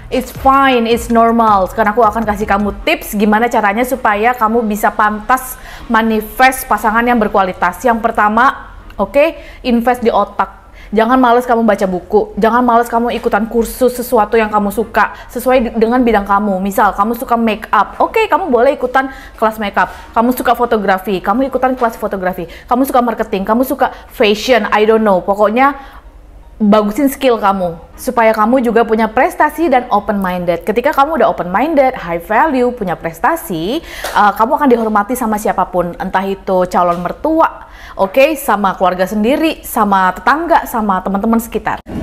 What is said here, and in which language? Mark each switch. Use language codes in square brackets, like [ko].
[en] It's fine, it's normal. [id] Sekarang aku akan kasih kamu tips gimana caranya supaya kamu bisa pantas manifest pasangan yang berkualitas. Yang pertama, okay, invest di otak. Jangan malas kamu baca buku, jangan malas kamu ikutan kursus sesuatu yang kamu suka sesuai dengan bidang kamu. Misal kamu suka make up, okay, kamu boleh ikutan kelas make up. Kamu suka fotografi, kamu ikutan kelas fotografi. Kamu suka marketing, kamu suka fashion, [en] I don't know. [id] Pokoknya bagusin skill kamu supaya kamu juga punya prestasi dan open minded. Ketika kamu udah open minded, high value, punya prestasi, kamu akan dihormati sama siapapun, entah itu calon mertua, okay, sama keluarga sendiri, sama tetangga, sama teman-teman sekitar.